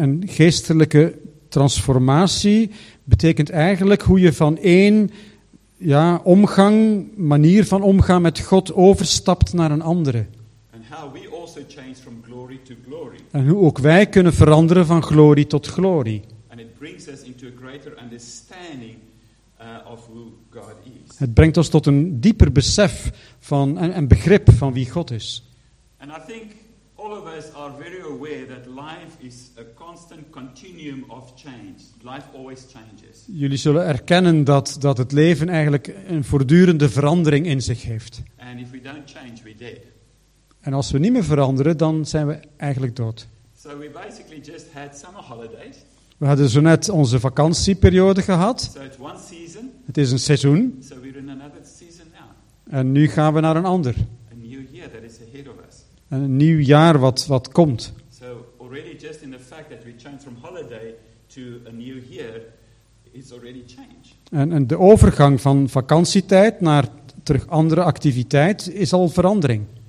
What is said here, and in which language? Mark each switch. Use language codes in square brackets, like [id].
[nl] En geestelijke transformatie betekent eigenlijk hoe je van één omgang, manier van omgaan met God overstapt naar een andere. En hoe [en] we also change from glory to glory. [nl] En hoe ook wij kunnen veranderen van glorie tot glorie. [en] And it brings us into a greater understanding of who God is. [nl] Het brengt ons tot een dieper besef van en begrip van wie God is. [en] And I think all of us are very aware that life is a constant continuum of change. Life always changes. [nl] Jullie zullen erkennen dat het leven eigenlijk een voortdurende verandering in zich heeft. [en] And if we don't change, we're dead. [nl] En als we niet meer veranderen, dan zijn we eigenlijk dood. [en] So we basically just had summer holidays. [nl] We hadden zo net onze vakantieperiode gehad. [en] So it's one season. [nl] Het is een seizoen. [en] So we're in another season now. [nl] En nu gaan we naar een ander. [en] A new year that is ahead of us. [nl] En een nieuw jaar wat komt. [en] So already just in the fact that we change from holiday to a new year is already change. [nl] En de overgang van vakantietijd naar terug andere activiteit is al verandering.